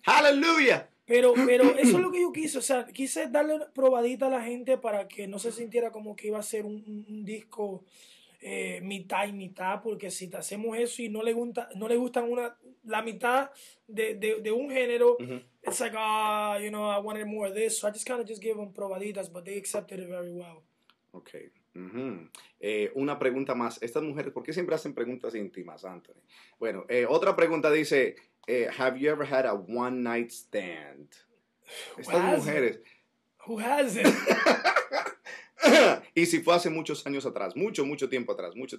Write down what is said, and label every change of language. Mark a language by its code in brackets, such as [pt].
[es] ¡Hallelujah! Pero eso es lo que yo quise, o sea, quise darle probadita a la gente para que no se sintiera como que iba a ser un disco... mitad y mitad, porque si te hacemos eso y no le gustan la mitad de un género, mm-hmm. [en] It's like, you know, I wanted more of this, so I just kind of just gave them probaditas, but they accepted it very well. Okay. [es] Mm-hmm. Una pregunta más. Estas mujeres, ¿por qué siempre hacen preguntas íntimas, Anthony? Bueno, otra pregunta dice, [en] have you ever had a one night stand? [es] Estas mujeres. [en] Who hasn't? [es] Y si fue hace muchos años atrás, mucho tiempo atrás.